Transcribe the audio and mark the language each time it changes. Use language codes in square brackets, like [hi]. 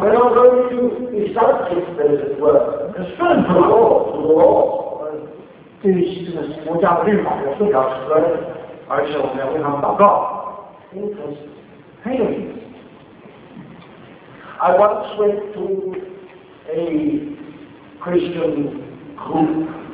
[en] ，we not only to accept His word， [zh] 顺服 [en] the law， [zh] 顺服 law， 对于这个国家的律法也是要顺服，而且我们要为他们祷告。 [en] Interesting， [zh] 很有意思。 [en] I once went to a Christian group。